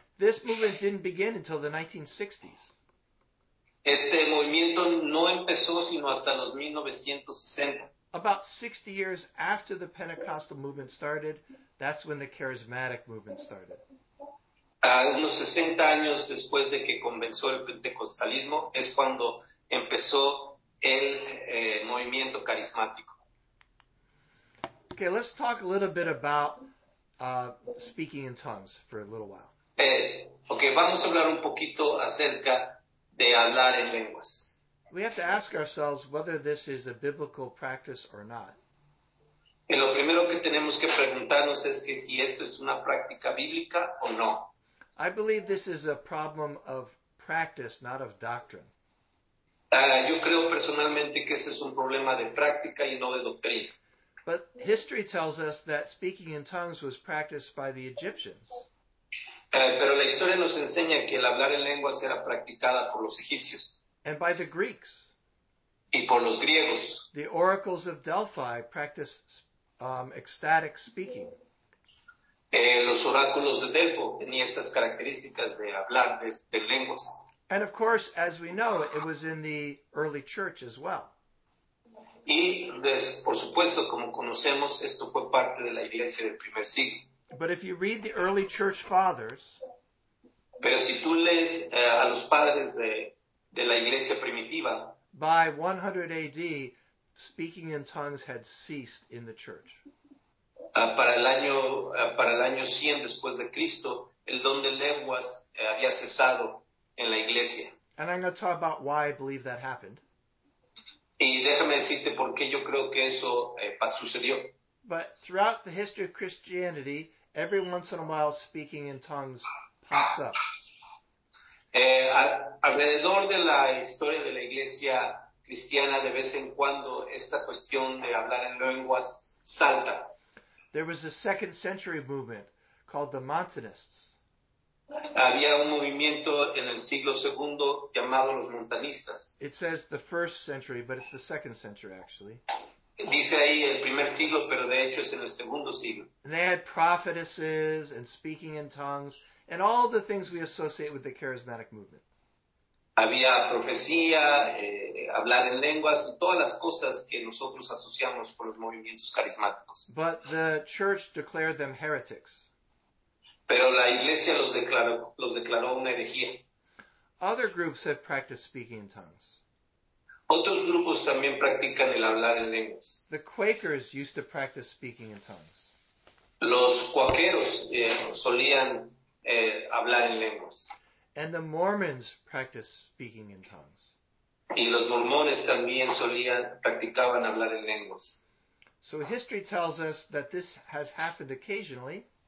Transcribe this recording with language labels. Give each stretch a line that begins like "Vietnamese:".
English: This movement didn't begin until the 1960s.
Spanish: Este movimiento no empezó sino hasta los 1960.
English: About 60 years after the Pentecostal movement started, that's when the charismatic movement started.
Spanish: Unos 60 años después de que comenzó el pentecostalismo es cuando empezó el movimiento carismático.
English: Okay, let's talk a little bit about speaking in tongues for a little while.
Spanish: Okay, vamos a hablar un poquito acerca de hablar en lenguas.
English: We have to ask ourselves whether this is a biblical practice or not.
Spanish: Y lo primero que tenemos que preguntarnos es que si esto es una práctica bíblica o no.
English: I believe this is a problem of practice, not of doctrine.
Spanish: Yo creo personalmente que ese es un problema de práctica y no de doctrina.
English: But history tells us that speaking in tongues was practiced by the Egyptians.
Spanish: Pero la historia nos enseña que el hablar en lenguas era practicada por los egipcios.
English: And by the Greeks.
Spanish: Y por los griegos.
English: The oracles of Delphi practiced ecstatic speaking.
Spanish: Los oráculos de Delfo tenían estas características de hablar de lenguas.
English: And of course, as we know, it was in the early church as well.
Spanish: Y, por supuesto, como conocemos, esto fue parte de la iglesia del primer siglo.
English: But if you read the early church fathers,
Spanish: pero si tú lees a los padres de la iglesia primitiva,
English: by 100 AD, speaking in tongues had ceased in the church.
Spanish: Para el año 100 después de Cristo, el don de lenguas había cesado en la iglesia.
English: And I'm going to talk about why I believe that happened.
Spanish: Y déjame decirte por qué yo creo que eso sucedió.
English: But throughout the history of Christianity, every once in a while speaking in tongues pops up.
Spanish: Alrededor de la historia de la iglesia cristiana, de vez en cuando, esta cuestión de hablar en lenguas salta.
English: There was a second century movement called the Montanists.
Spanish: Había un movimiento en el siglo segundo llamado los Montanistas.
English: It says the first century, but it's the second century, actually.
Spanish: Dice ahí el primer siglo, pero de hecho es en el segundo siglo.
English: And they had prophetesses and speaking in tongues and all the things we associate with the charismatic movement.
Spanish: Había profecía, hablar en lenguas, todas las cosas que nosotros asociamos con los movimientos carismáticos.
English: But the church declared them heretics.
Spanish: Pero la iglesia los declaró una herejía.
English: Other groups have practiced speaking in tongues.
Spanish: Otros grupos también practican el hablar en lenguas.
English: The Quakers used to practice speaking in tongues.
Spanish: Los cuaqueros solían hablar en lenguas.
English: And the Mormons practice speaking in tongues.
Spanish: Y los mormones también practicaban hablar en lenguas.
English: So history tells us that this has happened occasionally.